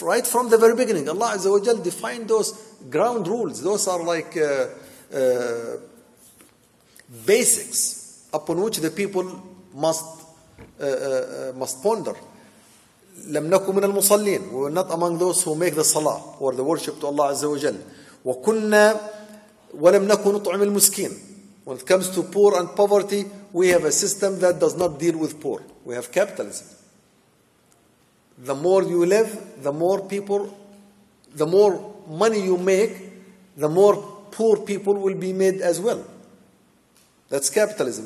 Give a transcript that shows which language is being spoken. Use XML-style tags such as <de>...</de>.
<en>Right from the very beginning, Allah Azza wa Jal defined those ground rules. Those are like basics upon which the people must ponder.</en> <ar>لم نكن من المصلين.</ar> <en>We were not among those who make the salah or the worship to Allah Azza wa Jal.</en> <ar>وكنا ولم نكن نطعم المسكين.</ar> <en>When it comes to poor and poverty, we have a system that does not deal with poor. We have capitalism. The more you live, the more people, the more money you make, the more poor people will be made as well. That's capitalism.</en>